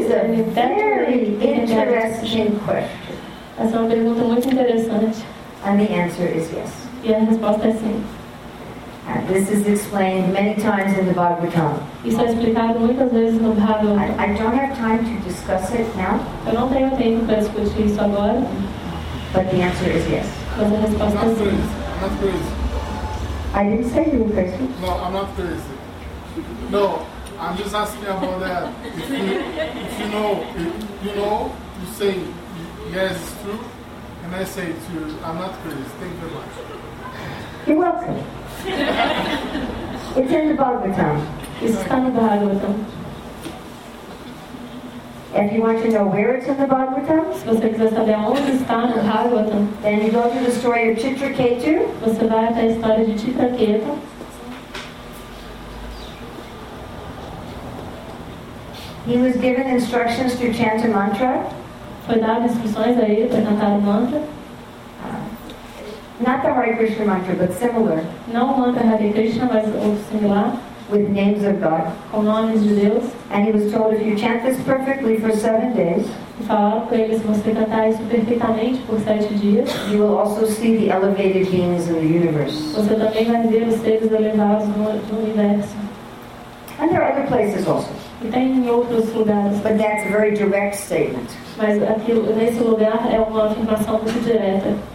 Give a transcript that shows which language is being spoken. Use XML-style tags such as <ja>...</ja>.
<en>Is and in that is a very interesting question.</en> <pt>Essa é uma pergunta muito interessante.</pt> <en>And the answer is yes.</en> <pt>E a resposta é sim.</pt> <en>And this is explained many times in the Bhagavatam.</en> <pt>Isso é explicado muitas vezes no Bhagavatam.</pt> <en>I don't have time to discuss it now.</en> <pt>Eu não tenho tempo para discutir isso agora.</pt> <en>But the answer is yes.</en> <pt>Mas a resposta é sim.</pt> <en>I'm not crazy. I didn't say you were crazy. No, I'm not crazy. No, I'm just asking about that. If you know, you say yes, it's true. And I say to you, I'm not crazy. Thank you very much. You're welcome. It's in the Bhagavatam. It's in the Bhagavatam. If you want to know where it's in the Bhagavatam,</en> <pt>se você quiser saber onde está no Bhagavatam,</pt> <en>then you go to the story of Chitraketu.</en> <pt>Você vai até a história de Chitraketu.</pt> <en>He was given instructions to chant a mantra.</en> <pt>Foi dado instruções a ele para cantar o mantra.</pt> <en>Not the Hare Krishna mantra, but similar.</en> <pt>Não o mantra Hare Krishna, mas o similar.</pt> <en>With names of God.</en> <pt>Com nomes de Deus.</pt> <en>And he was told, if you chant this perfectly for 7 days,</en> <pt>e falaram com ele, se você cantar isso perfeitamente por 7 dias,</pt> <en>you will also see the elevated beings in the universe.</en> <pt>Você também vai ver os seres elevados no universo.</pt> <en>And there are other places also.</en> <pt>E tem em outros lugares.</pt> <en>But that's a very direct statement.</en> <pt>Mas aquilo, nesse lugar é uma afirmação muito direta.</pt>